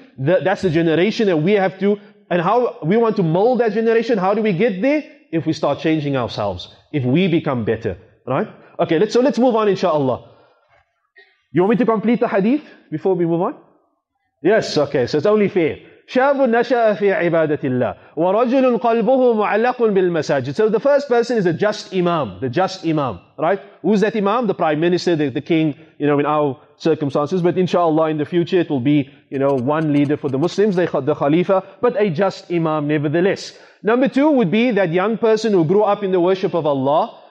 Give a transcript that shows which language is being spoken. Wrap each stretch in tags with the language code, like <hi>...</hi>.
<en>That's the generation that we have to. And how we want to mold that generation. How do we get there? If we start changing ourselves. if we become better, right? Okay, let's move on, inshallah. You want me to complete the hadith before we move on? Yes, okay, so it's only fair.</en> <ar>شاب نشأ في عبادة الله ورجل قلبه معلق بالمساجد.</ar> <en>So the first person is a just imam, the just imam, right? Who's that imam? The prime minister, the king, you know, in our circumstances. But inshallah, in the future, it will be, you know, one leader for the Muslims, the Khalifa, but a just imam nevertheless. Number two would be that young person who grew up in the worship of Allah.</en>